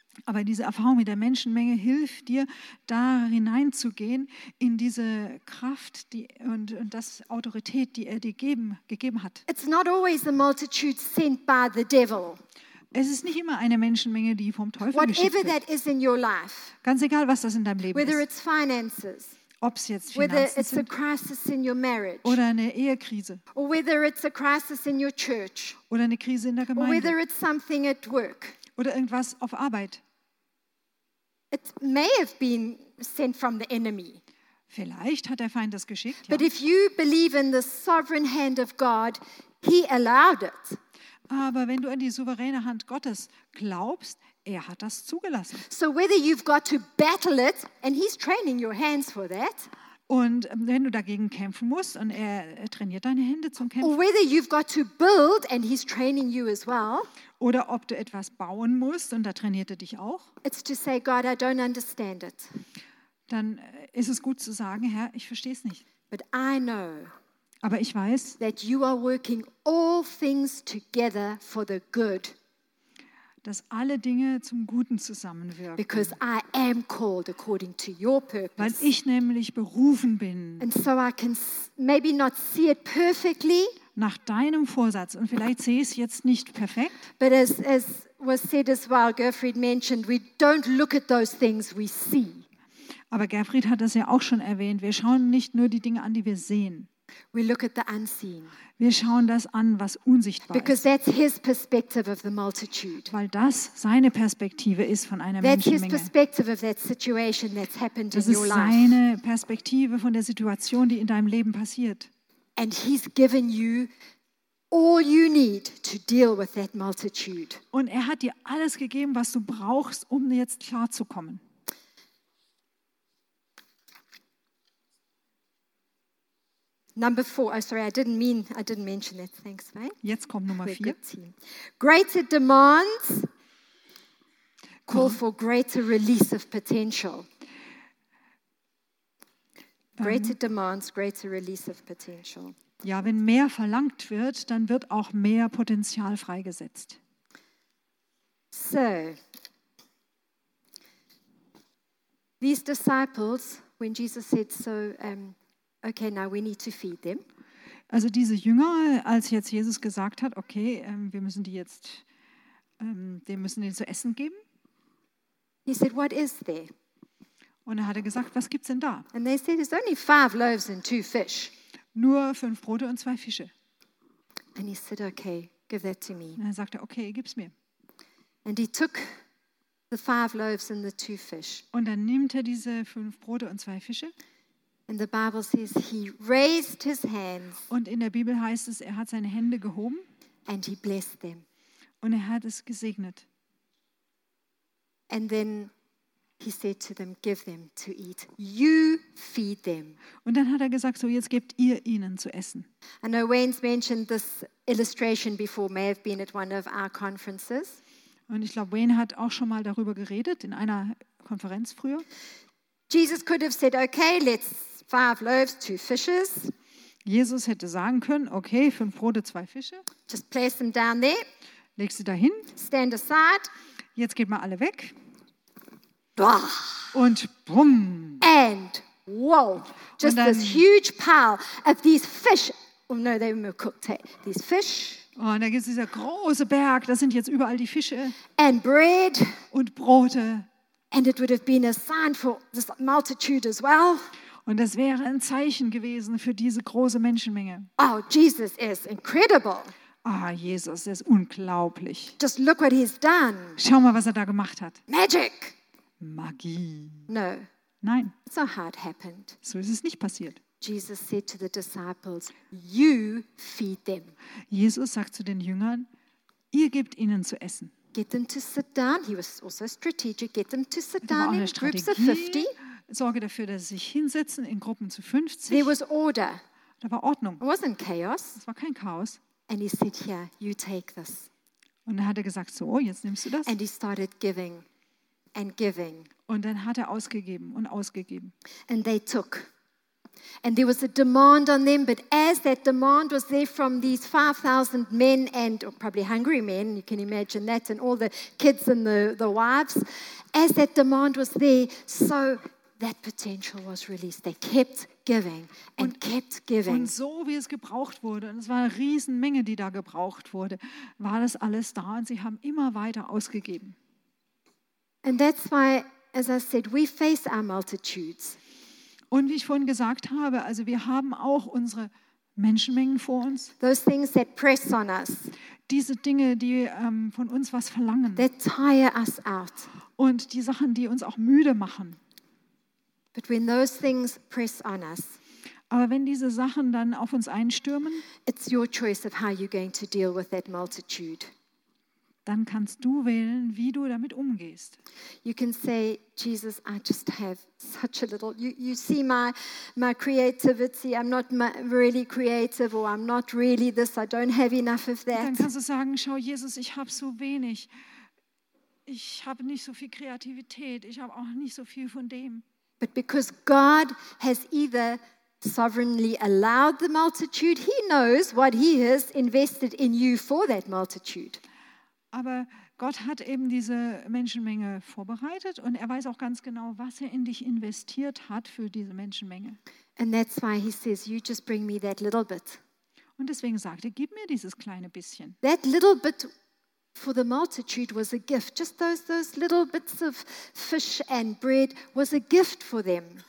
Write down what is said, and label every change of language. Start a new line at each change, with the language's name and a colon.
German: Aber diese Erfahrung mit der Menschenmenge hilft dir, da hineinzugehen in diese Kraft und das Autorität, die er dir gegeben hat.
English: It's not always a multitude sent by the devil.
German: Es ist nicht immer eine Menschenmenge, die vom Teufel
English: Whatever
German: geschickt
English: that is in your life,
German: ganz egal, was das in deinem Leben
English: whether
German: ist.
English: It's finances,
German: ob es jetzt Finanzen
English: it's
German: sind
English: a crisis in your marriage,
German: oder eine Ehekrise
English: or whether it's a crisis in your church,
German: oder eine Krise in der Gemeinde
English: or whether it's something at work,
German: oder irgendwas auf Arbeit.
English: It may have been sent from the enemy.
German: Vielleicht hat der Feind das geschickt.
English: But
German: ja.
English: If you believe in the sovereign hand of God, he allowed it.
German: Aber wenn du an die souveräne Hand Gottes glaubst, er hat das zugelassen.
English: So whether you've got to battle it, and he's training your hands for that.
German: Und wenn du dagegen kämpfen musst, und er trainiert deine Hände zum Kämpfen.
English: Or whether you've got to build, and he's training you as well.
German: Oder ob du etwas bauen musst, und da trainiert er dich auch.
English: It's to say, God, I don't understand it.
German: Dann ist es gut zu sagen, Herr, ich verstehe es nicht.
English: But I know.
German: Aber ich weiß,
English: that you are working all things together for the good.
German: Dass alle Dinge zum Guten zusammenwirken.
English: Because I am called according to your purpose.
German: Weil ich nämlich berufen bin.
English: And so I can maybe not see it perfectly.
German: Nach deinem Vorsatz. Und vielleicht sehe ich es jetzt nicht perfekt.
English: But as was said as well, Gerfried mentioned, we don't look at those things we see.
German: Aber Gerfried hat das ja auch schon erwähnt. Wir schauen nicht nur die Dinge an, die wir sehen.
English: We look at the unseen.
German: Wir schauen das an, was unsichtbar
English: Because
German: ist.
English: Because that's his perspective of the multitude.
German: Weil das seine Perspektive ist von einer
English: that's
German: Menschenmenge.
English: His perspective of that situation that's happened
German: das
English: in your life.
German: Das ist seine Perspektive von der Situation, die in deinem Leben passiert.
English: And he's given you all you need to deal with that multitude.
German: Und er hat dir alles gegeben, was du brauchst, um jetzt klarzukommen.
English: Number four. Oh, sorry, I didn't mention that. Thanks, mate.
German: Jetzt kommt Nummer
English: We're
German: vier.
English: Good team. Greater demands call for greater release of potential. Greater demands, greater release of potential.
German: Ja, wenn mehr verlangt wird, dann wird auch mehr Potenzial freigesetzt.
English: So, these disciples, when Jesus said so. Okay, now we need to feed them.
German: Also diese Jünger, als jetzt Jesus gesagt hat, okay, wir müssen die jetzt, wir müssen denen zu essen geben.
English: He said, what is there?
German: Und er hatte gesagt, was gibt's denn da?
English: And they said, it's only five loaves and two fish.
German: Nur fünf Brote und zwei Fische.
English: And he said, okay, give that to me.
German: Und er sagte, okay, gib's mir.
English: And he took the five loaves and the two fish.
German: Und dann nimmt er diese fünf Brote und zwei Fische.
English: And the Bible says he raised his hands.
German: Und in der Bibel heißt es, er hat seine Hände gehoben.
English: And he blessed them.
German: Und er hat es gesegnet.
English: And then he said to them, give them to eat. You feed them.
German: Und dann hat er gesagt, so jetzt gebt ihr ihnen zu essen.
English: I know Wayne's mentioned this illustration before, may have been at one of our conferences.
German: Und ich glaube, Wayne hat auch schon mal darüber geredet in einer Konferenz früher.
English: Jesus could have said, okay, let's five loaves, two fishes.
German: Jesus hätte sagen können, okay, fünf Brote, zwei Fische.
English: Just place them down there.
German: Leg sie dahin.
English: Stand aside.
German: Jetzt geht mal alle weg. Boah. Und bumm.
English: And whoa, just dann, this huge pile of these fish. Oh no, they were cooked. Hey. These fish.
German: Und da gibt es dieser große Berg, da sind jetzt überall die Fische.
English: And bread.
German: Und Brote.
English: And it would have been a sign for this multitude as well.
German: Und das wäre ein Zeichen gewesen für diese große Menschenmenge.
English: Oh, Jesus is incredible.
German: Ah, Jesus ist unglaublich.
English: Just look what he's done.
German: Schau mal, was er da gemacht hat.
English: Magic.
German: Magie.
English: No.
German: Nein.
English: So hard happened.
German: So ist es nicht passiert.
English: Jesus said to the disciples, you feed them.
German: Jesus sagt zu den Jüngern, ihr gebt ihnen zu essen.
English: Get them to sit down. He was also strategic. Get them to sit down in groups of 50.
German: Sorge dafür, dass sie sich hinsetzen in Gruppen zu 50.
English: There was order.
German: Da war Ordnung.
English: It wasn't chaos.
German: Es war kein Chaos.
English: And he said, here, you take this.
German: Und dann hat er gesagt, so, jetzt nimmst du das.
English: And he started giving and giving.
German: Und dann hat er ausgegeben und ausgegeben.
English: And they took. And there was a demand on them, but as that demand was there from these 5,000 men and probably hungry men, you can imagine that, and all the kids and the wives, as that demand was there, so that potential was released. They kept giving and kept giving.
German: Und so wie es gebraucht wurde, und es war eine Riesenmenge, die da gebraucht wurde, war das alles da und sie haben immer weiter ausgegeben.
English: And that's why, as I said, we face our multitudes.
German: Und wie ich vorhin gesagt habe, also wir haben auch unsere Menschenmengen vor uns.
English: Those things that press on us.
German: Diese Dinge, die von uns was verlangen.
English: That tire us out.
German: Und die Sachen, die uns auch müde machen.
English: But when those things press on us,
German: aber wenn diese Sachen dann auf uns einstürmen,
English: it's your choice of how you're going to deal with that multitude.
German: Dann kannst du wählen, wie du damit umgehst.
English: You can say, Jesus, I just have such a little. You see my creativity. I'm not really creative, or I'm not really this. I don't have enough of that.
German: Dann kannst du sagen, schau, Jesus, ich habe so wenig. Ich habe nicht so viel Kreativität. Ich habe auch nicht so viel von dem.
English: But because God has either sovereignly allowed the multitude, He knows what He has invested in you for that multitude.
German: Aber Gott hat eben diese Menschenmenge vorbereitet und er weiß auch ganz genau, was er in dich investiert hat für diese Menschenmenge.
English: And that's why he says, you just bring me that little bit.
German: Und deswegen sagt er, gib mir dieses kleine bisschen.
English: That little bit for the multitude was a gift. Just those little bits of fish and bread was a gift for them.